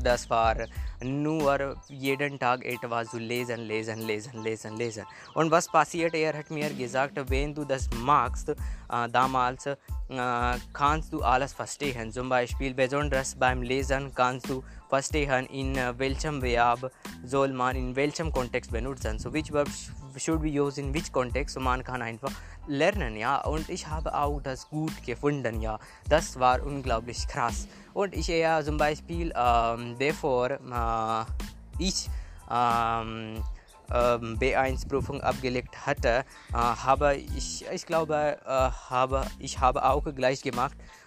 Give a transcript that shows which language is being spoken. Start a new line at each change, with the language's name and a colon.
German: Das war nur jeden Tag etwas zu lesen, lesen, lesen, lesen, lesen. Und was passiert? Er hat mir gesagt, wenn du das magst, damals kannst du alles verstehen. Zum Beispiel besonders beim Lesen kannst du verstehen, in welchem Verb soll man in welchem Kontext benutzen.
English: So which verb should be used in which context.
German: So man kann einfach lernen, ja. Und ich habe auch das gut gefunden, ja. Das war unglaublich krass. Und ich ja zum Beispiel B1 Prüfung abgelegt hatte, habe ich auch gleich gemacht.